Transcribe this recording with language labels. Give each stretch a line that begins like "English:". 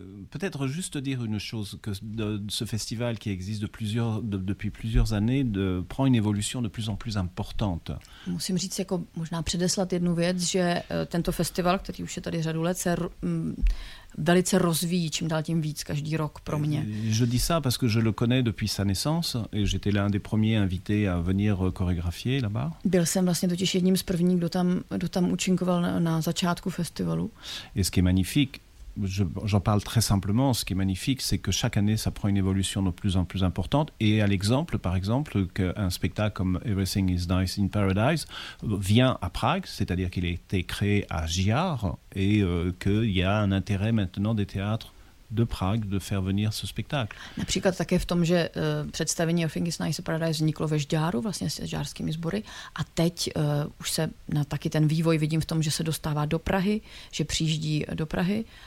French: Peut-être juste dire une chose, que ce festival qui existe depuis plusieurs années prend une évolution de plus en plus importante.
Czech: Musím říct jako možná předeslat jednu věc, že tento festival, který už je tady řadu let, se velice rozvíjí čím dál tím víc každý rok pro mě.
French: Je dis ça parce que je le connais depuis sa naissance et j'étais l'un des premiers invités à venir chorégraphier là-bas.
Czech: Byl jsem vlastně totiž jedním z prvních, kdo tam účinkoval na začátku festivalu.
French: Et ce qui est magnifique, j'en parle très simplement, ce qui est magnifique, c'est que chaque année, ça prend une évolution de plus en plus importante. Et à l'exemple, par exemple, qu'un spectacle comme Everything is Nice in Paradise vient à Prague, c'est-à-dire qu'il a été créé à Gjar, et qu'il y a un intérêt maintenant des théâtres de Prague de faire venir ce spectacle.
Czech: Například také v tom, že představení Everything is Nice in Paradise vzniklo ve Žďáru, vlastně s žďárskými sbory, a teď už se na taky ten vývoj vidím v tom, že se dostává do Prahy, že přijíždí do Prahy.